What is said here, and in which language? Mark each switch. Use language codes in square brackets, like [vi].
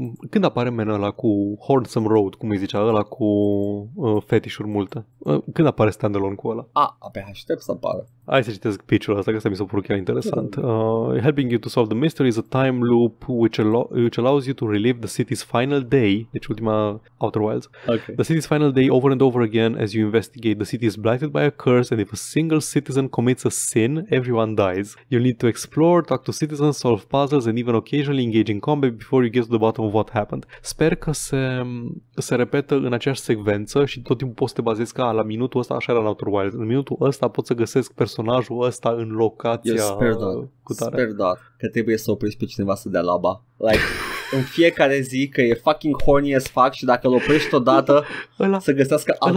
[ro] Când apare menul ăla cu Hornsome Road, cum îi zicea, ăla cu fetișuri multe? Când apare standalone cu ăla? Abia aștept să apară. Hai să citesc pitch-ul ăsta, că asta mi s-a părut chiar interesant. [en] helping you to solve the mystery is a time loop which allows you to relive the city's final day, [ro] deci ultima Outer Wilds, [en] okay. The city's final day over and over again as you investigate. The city is blighted by a curse, and if a single citizen commits a sin, everyone dies. You'll need to explore, talk to citizens, solve puzzles, and even occasionally engage in combat before you get to the bottom of what happened. [ro] Sper că se repetă în aceeași secvență și tot timpul poți să te bazezi ca la minutul ăsta, așa era în Outer Wilds, în minutul ăsta poți să găsesc personajul ăsta în locația. Eu sper doar, că trebuie să oprești pe cineva să dea laba. Like, în fiecare zi că e [en] fucking horny as fuck [ro] și dacă îl oprești odată să găsească alt